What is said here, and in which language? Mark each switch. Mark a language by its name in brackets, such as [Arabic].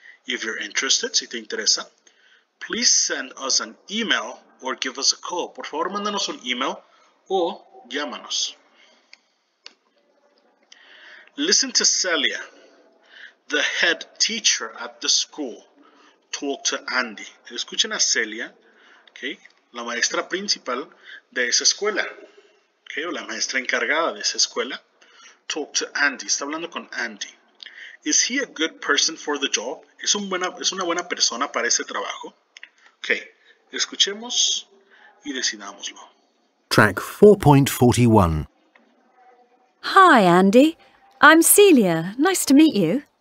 [English] If you're interested, [Spanish] si te interesa, [English] please send us an email or give us a call. [Spanish] Por favor, mándanos un email o llámanos. [English] Listen to Celia, the head teacher at the school, talk to Andy. [Spanish] Escuchen a Celia, okay, la maestra principal de esa escuela. Okay, o la maestra encargada de esa escuela. [English] Talk to Andy. [Spanish] Está hablando con Andy. [English] Is he a good person for the job? [Spanish] ¿Es una buena persona para ese trabajo? Okay, escuchemos y decidámoslo. [English] Track 4.41. Hi, Andy. I'm Celia. Nice to meet you.